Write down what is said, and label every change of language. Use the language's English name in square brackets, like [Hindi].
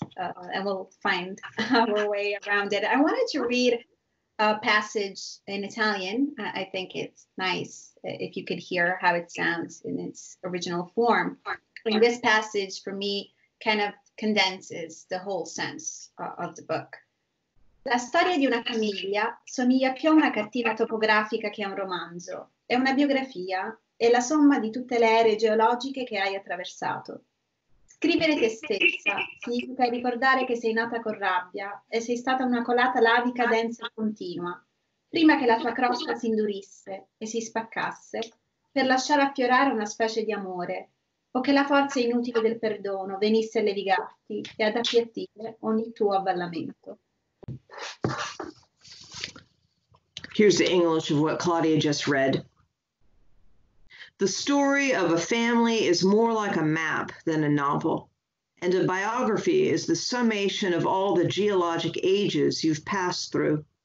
[English] And we'll find our way around it. I wanted to read a passage in Italian. I think it's nice if you could hear how it sounds in its original form. And this passage, for me, kind of condenses the whole sense of the book. [Italian] La storia di una famiglia somiglia più a una cartina topografica che a un romanzo. È una biografia, è la somma di tutte le ere geologiche che hai attraversato. Scrivere te stessa significa ricordare che sei nata con rabbia e sei stata una colata lavica densa e continua, prima che la tua crosta si indurisse e si spaccasse per lasciare affiorare una specie di amore o che la forza inutile del perdono venisse a levigarti e ad appiattire ogni tuo avvallamento. [English] Here's the English of what Claudia just read. The story of a family is more like a map than a novel, and a biography is the summation of all the geologic ages you've passed through.